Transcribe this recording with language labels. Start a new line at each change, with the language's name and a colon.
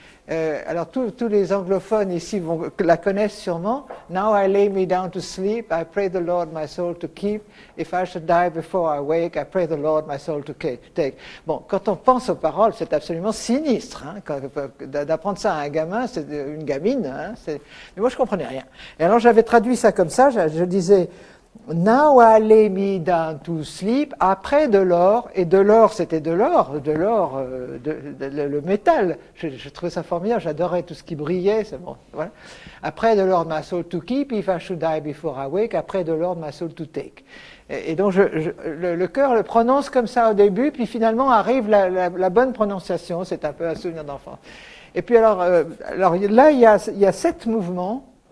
French: Alors tous les anglophones ici la connaissent sûrement.
English: Now I lay me down to sleep, I pray the Lord my soul to keep. If I should die before I wake, I pray the Lord my soul to take.
French: Bon, quand on pense aux paroles, c'est absolument sinistre, hein, d'apprendre ça à un gamin, c'est une gamine. Hein, mais moi je comprenais rien. Et alors j'avais traduit ça comme ça. Je disais
English: Now I lay me down to sleep, I pray the Lord,
French: et de l'or, c'était de l'or, le métal. Je trouvais ça formidable, j'adorais tout ce qui brillait, c'est bon, voilà.
English: I pray the Lord my soul to keep, if I should die before I wake, I pray the Lord my soul to take.
French: Et donc, le chœur le prononce comme ça au début, puis finalement arrive la bonne prononciation, c'est un peu un souvenir d'enfant. Et puis alors là, il y a sept mouvements.